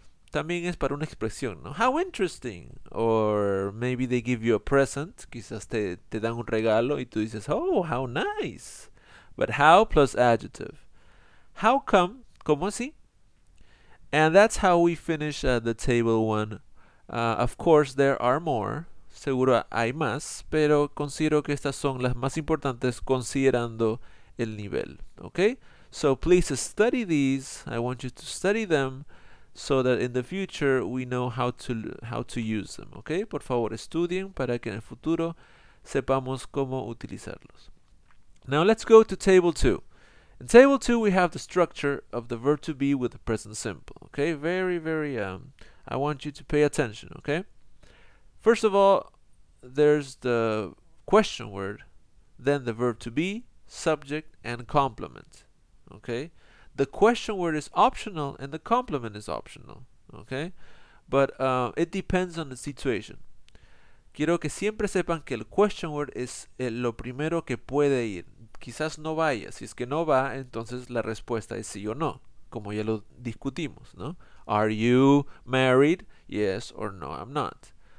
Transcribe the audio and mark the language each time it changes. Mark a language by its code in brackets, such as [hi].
[es] También es para una expresión, ¿no? [en] How interesting. Or maybe they give you a present. [es] Quizás te dan un regalo y tú dices, [en] oh, how nice. But how plus adjective. How come? [es] ¿Cómo así? [en] And that's how we finish the table one. Of course, there are more. [es] Seguro hay más, pero considero que estas son las más importantes considerando el nivel. [en] Okay? So please study these. I want you to study them so that in the future we know how to use them. Okay? [es] Por favor, estudien para que en el futuro sepamos cómo utilizarlos. [en] Now let's go to table two. In table two, we have the structure of the verb to be with the present simple. Okay? Very, very, I want you to pay attention. Okay? First of all, there's the question word, then the verb to be, subject, and complement. Okay? The question word is optional and the complement is optional. Okay? But it depends on the situation. [es] Quiero que siempre sepan que el question word es lo primero que puede ir. Quizás no vaya. Si es que no va, entonces la respuesta es sí o no, como ya lo discutimos, ¿no? [en] Are you married? Yes or no, I'm not.